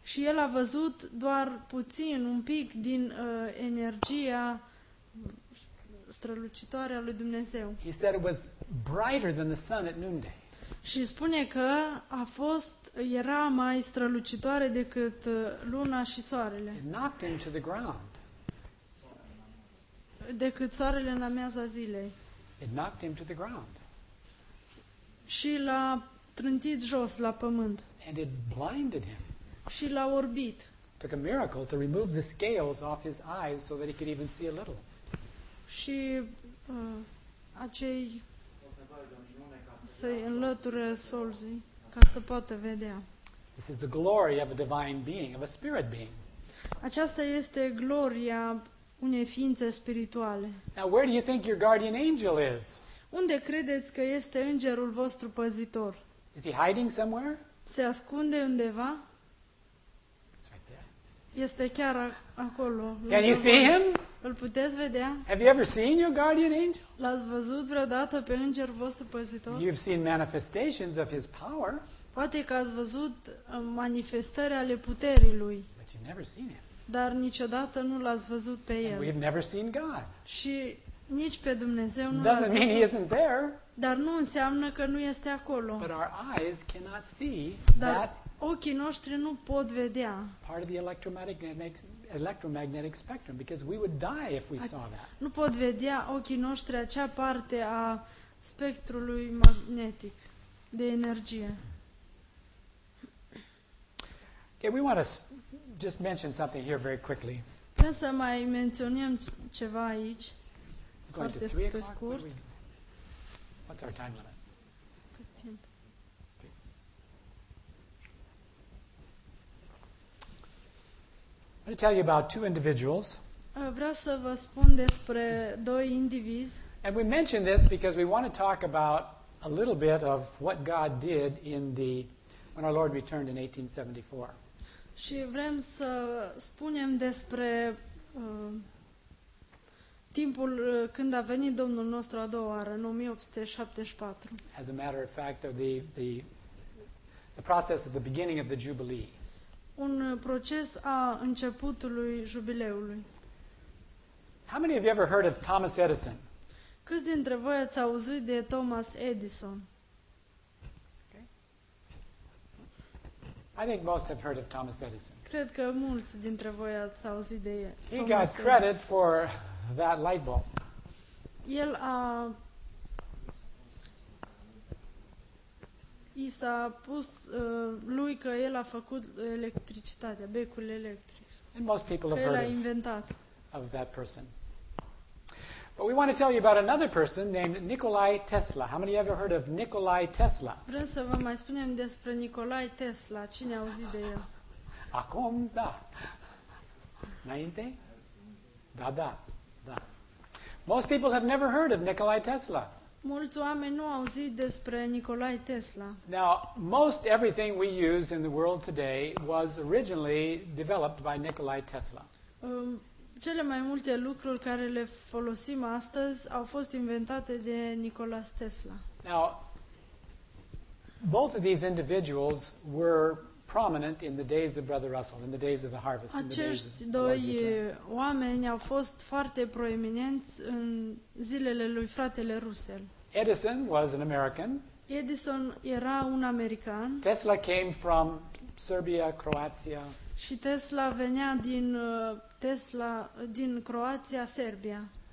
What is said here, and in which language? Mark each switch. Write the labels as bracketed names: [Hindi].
[Romanian] Și el a văzut doar puțin, un pic din energia strălucitoare a lui Dumnezeu. [English] He said it was brighter than the sun at noonday. [Romanian] Și spune că era mai strălucitoare decât luna și soarele. [English] It knocked him to the ground. [Romanian] Decât soarele în amiaza zilei. [English] It knocked him to the ground. [Romanian] Și l-a trântit jos la pământ. [English] And it blinded him. [Romanian] Și l-a orbit. [English] It took a miracle to remove the scales off his eyes so that he could even see a little. [Romanian] Și acei să-i înlăture solzii ca să poată vedea. [English] This is the glory of a divine being, of a spirit being. [Romanian] Aceasta este gloria unei ființe spirituale. [English] Now, where do you think your guardian angel is? [Romanian] Unde credeți că este îngerul vostru păzitor? [English] Is he hiding somewhere? [Romanian] Se ascunde undeva? [English] It's right there. [Romanian] Este chiar acolo. [English] Can you see him? [Romanian] Îl puteți vedea? [English] Have you ever seen your guardian angel? [Romanian] L-ați văzut vreodată pe îngerul vostru păzitor? [English] You've seen manifestations of his power. [Romanian] Poate că ați văzut manifestări ale puterii lui. [English] But you've never seen him. [Romanian] Dar niciodată nu l-ați văzut pe el. [English] And we've never seen God. [Romanian] Și nici pe Dumnezeu nu l-ați văzut. [English] He isn't there. [Romanian] Dar nu înseamnă că nu este acolo. [English] But our eyes cannot see. [Romanian] Dar ochii noștri nu pot vedea. [English] Part of the electromagnetic spectrum, because we would die if we saw that. [Romanian] Nu pot vedea ochii noștri acea parte a spectrului magnetic de energie. [English] Okay, we want to just mention something here very quickly. [Romanian] Vreau să mai menționăm ceva aici. foarte pe scurt. [English] What's our time limit? [Romanian] Cât timp? [English] I want to tell you about two individuals. [Romanian] Vreau să vă spun despre doi indivizi. [English] And we mention this because we want to talk about a little bit of what God did in the when our Lord returned in 1874. [Romanian] Și vrem să spunem despre timpul când a venit Domnul nostru a doua oară, în 1874. [English] As a matter of fact, of the process of the beginning of the Jubilee. [Romanian] Un proces a începutului jubileului. [English] How many of you ever heard of Thomas Edison? [Romanian] Câți dintre voi ați auzit de Thomas Edison? [English] I think most have heard of Thomas Edison. [Romanian] Cred că mulți dintre voi ați auzit de el. [English] He got credit for that light bulb. [Romanian] El a i s-a pus lui că el a făcut electricitatea, becul electric. [English] And most people have heard of, [Romanian] inventat [English] of that person. But we want to tell you about another person named Nikolai Tesla. How many of you ever heard of Nikolai Tesla? [Romanian] Vrem să vă mai spunem despre Nikolai Tesla. Cine a auzit de el? Acum, da. Înainte? Da, da, da. [English] Most people have never heard of Nikolai Tesla. [Romanian] Mulți oameni nu au auzit despre Nikolai Tesla. [English] Now, most everything we use in the world today was originally developed by Nikolai Tesla. [Romanian] Cele mai multe lucruri care le folosim astăzi au fost inventate de Nikola Tesla. [English] Now, both of these individuals were prominent in the days of Brother Russell, in the days of the harvest. [Romanian] Acești doi oameni au fost foarte proeminenți în zilele lui fratele Russell. [English] Edison was an American. [Romanian] Edison era un american. [English] Tesla came from Serbia, Croatia. [Romanian] Și Tesla venea din Tesla din Croația, Serbia.